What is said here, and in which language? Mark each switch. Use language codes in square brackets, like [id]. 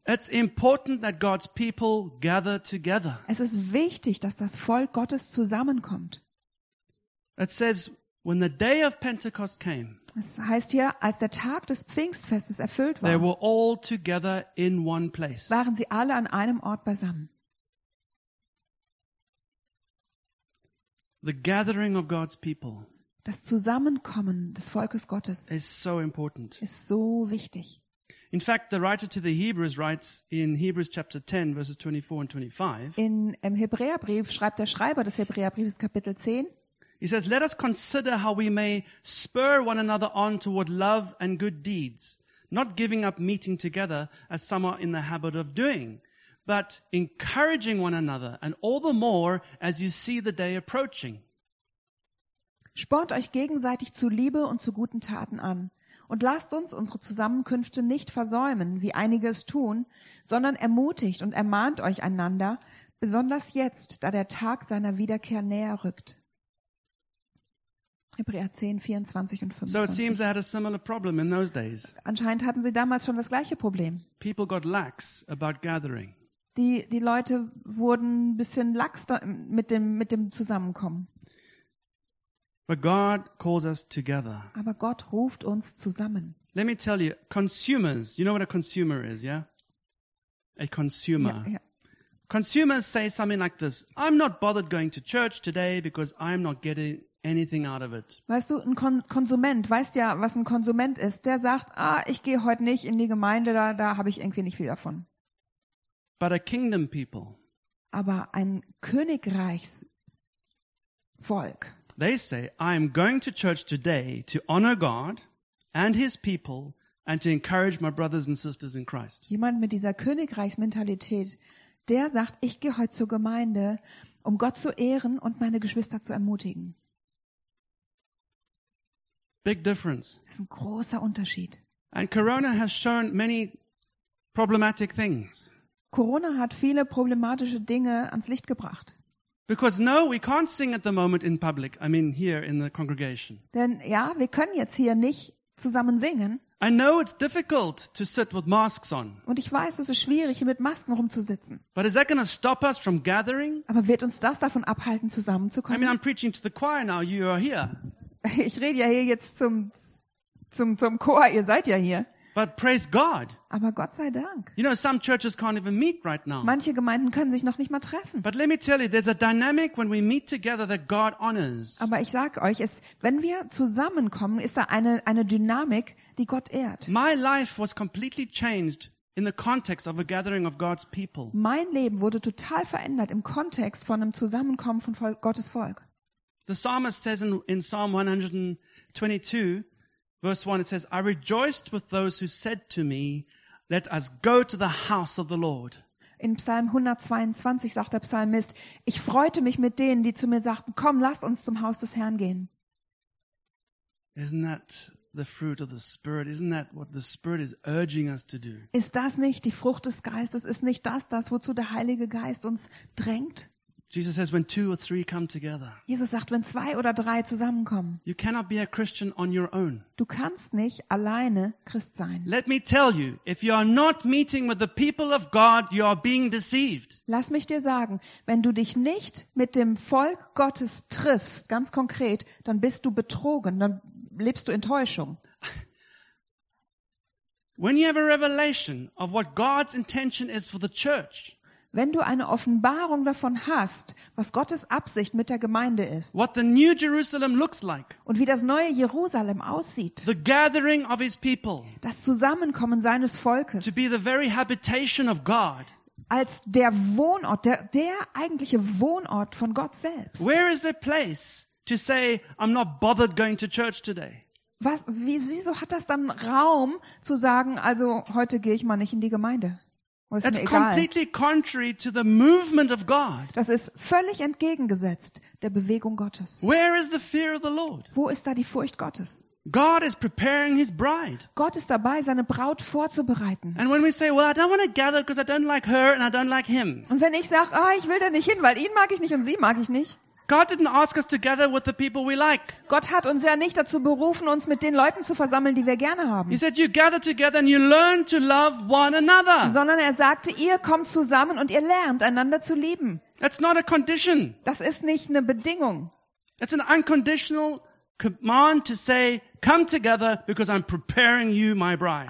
[en] It's important that God's people gather together. [de] Es ist wichtig, dass das Volk Gottes zusammenkommt. [en] It says, when the day of Pentecost came, [de] es heißt hier, als der Tag des Pfingstfestes erfüllt war, [en] they were all together in one place. [de] Waren sie alle an einem Ort beisammen. [en] The gathering of God's people, [de] das Zusammenkommen des Volkes Gottes, [en] is so important. [de] Ist so wichtig. [en] In fact, the writer to the Hebrews writes in Hebrews chapter 10, verses 24 and 25. [de] Im Hebräerbrief schreibt der Schreiber des Hebräerbriefes Kapitel 10. [en] He says, let us consider how we may spur one another on toward love and good deeds, not giving up meeting together as some are in the habit of doing, but encouraging one another and all the more as you see the day approaching. [de] Spornt euch gegenseitig zu Liebe und zu guten Taten an und lasst uns unsere Zusammenkünfte nicht versäumen, wie einige es tun, sondern ermutigt und ermahnt euch einander, besonders jetzt, da der Tag seiner Wiederkehr näher rückt. Hebräer 10, 24 und 25. [en] So it seems they had a similar problem in those days. [de] Anscheinend hatten sie damals schon das gleiche Problem. [en] People got lax about gathering. [de] Die Leute wurden ein bisschen lax mit dem Zusammenkommen. [en] But God calls us together. [de] Aber Gott ruft uns zusammen. [en] Let me tell you, consumers, you know what a consumer is, yeah? A consumer. [de] Ja, ja. [en] Consumers say something like this: I'm not bothered going to church today because I'm not getting anything out of it. [de] Weißt du, ein Konsument, weißt ja, was ein Konsument ist, der sagt, ah, ich gehe heute nicht in die Gemeinde, da habe ich irgendwie nicht viel davon. [en] But a kingdom people. [de] Aber ein Königreichsvolk. [en] They say, I am going to church today to honor God and his people and to encourage my brothers and sisters in Christ. [de] Jemand mit dieser Königreichsmentalität, der sagt, ich gehe heute zur Gemeinde, um Gott zu ehren und meine Geschwister zu ermutigen. [en] Big difference. [de] Das ist ein großer Unterschied. [en] And Corona has shown many problematic things. [de] Corona hat viele problematische Dinge ans Licht gebracht. [en] Because no, we can't sing at the moment in public. I mean, here in the congregation. [de] Denn ja, wir können jetzt hier nicht zusammen singen. [en] I know it's difficult to sit with masks on. [de] Und ich weiß, es ist schwierig, hier mit Masken rumzusitzen. [en] But is that going to stop us from gathering? [de] Aber wird uns das davon abhalten, zusammenzukommen? [en] I mean, I'm preaching to the choir now. You are here. [de] Ich rede ja hier jetzt zum Chor, ihr seid ja hier. [en] But praise God. [de] Aber Gott sei Dank. [en] You know, some churches can't even meet right now. [de] Manche Gemeinden können sich noch nicht mal treffen. [en] But let me tell you, there's a dynamic when we meet together that God honors. [de] Aber ich sage euch, wenn wir zusammenkommen, ist da eine Dynamik, die Gott ehrt. [en] My life was completely changed in the context of a gathering of God's people. [de] Mein Leben wurde total verändert im Kontext von einem Zusammenkommen von Gottes Volk. [en] The psalmist says in Psalm 122, verse 1, it says, I rejoiced with those who said to me, let us go to the house of the Lord. [de] In Psalm 122 sagt der Psalmist, ich freute mich mit denen, die zu mir sagten, komm, lass uns zum Haus des Herrn gehen. [en] Isn't that the fruit of the Spirit? Isn't that what the Spirit is urging us to do? [de] Ist das nicht die Frucht des Geistes? Ist nicht das, wozu der Heilige Geist uns drängt? [en] Jesus says, when two or three come together. [de] Jesus sagt, wenn zwei oder drei zusammenkommen. [en] You cannot be a Christian on your own. [de] Du kannst nicht alleine Christ sein. [en] Let me tell you, if you are not meeting with the people of God, you are being deceived. [de] Lass mich dir sagen, wenn du dich nicht mit dem Volk Gottes triffst, ganz konkret, dann bist du betrogen, dann lebst du Enttäuschung. [en] When you have a revelation of what God's intention is for the church. [de] Wenn du eine Offenbarung davon hast, was Gottes Absicht mit der Gemeinde ist, [en] what the new Jerusalem looks like, [de] und wie das neue Jerusalem aussieht, [en] the gathering of his people, [de] das Zusammenkommen seines Volkes, [en] to be the very habitation of God, [de] als der Wohnort, der eigentliche Wohnort von Gott selbst. [en] Where is the place to say, I'm not bothered going to church today? [de] Wieso hat das dann Raum zu sagen, also heute gehe ich mal nicht in die Gemeinde? [en] That's completely contrary to the movement of God. [de] Das ist völlig entgegengesetzt der Bewegung Gottes. [en] Where is the fear of the Lord? [de] Wo ist da die Furcht Gottes? [en] God is preparing his bride. [de] Gott ist dabei, seine Braut vorzubereiten. [en] And when we say, well, I don't want to gather because I don't like her and I don't like him. [de] Und wenn ich sag, ah, ich will da nicht hin, weil ihn mag ich nicht und sie mag ich nicht. [en] God didn't ask us to gather with the people we like. [de] Gott hat uns ja nicht dazu berufen, uns mit den Leuten zu versammeln, die wir gerne haben. [en] He said, you gather together and you learn to love one another. [de] Sondern er sagte, ihr kommt zusammen und ihr lernt einander zu lieben. [en] That's not a condition. [de] Das ist nicht eine Bedingung. [en] It's an unconditional command to say, come together because I'm preparing you, my bride.